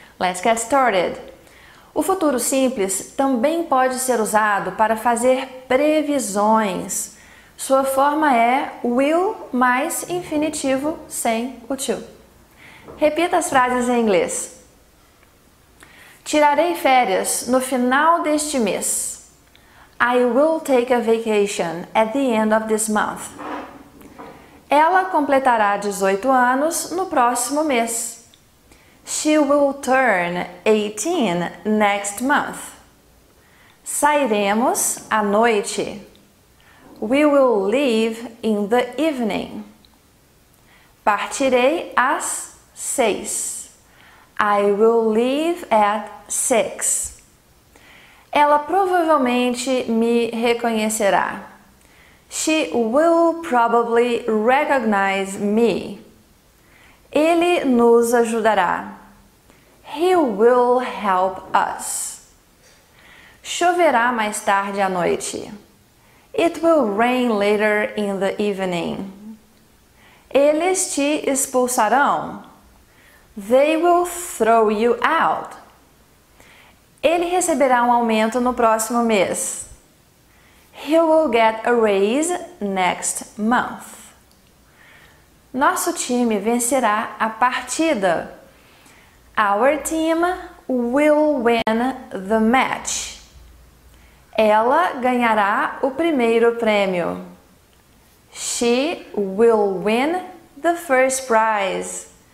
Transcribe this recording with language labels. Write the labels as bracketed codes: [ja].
[en] Let's get started. [pt] O futuro simples também pode ser usado para fazer previsões. Sua forma é will mais infinitivo sem o to. Repita as frases em inglês. Tirarei férias no final deste mês. [en] I will take a vacation at the end of this month. [pt] Ela completará 18 anos no próximo mês. [en] She will turn 18 next month. [pt] Sairemos à noite. [en] We will leave in the evening. [pt] Partirei às 6. [en] I will leave at 6. [pt] Ela provavelmente me reconhecerá. [en] She will probably recognize me. [pt] Ele nos ajudará. [en] He will help us. [pt] Choverá mais tarde à noite. [en] It will rain later in the evening. [pt] Eles te expulsarão. [en] They will throw you out. [pt] Ele receberá um aumento no próximo mês. [en] He will get a raise next month. [pt] Nosso time vencerá a partida. [en] Our team will win the match. [pt] Ela ganhará o primeiro prêmio. [en] She will win the first prize.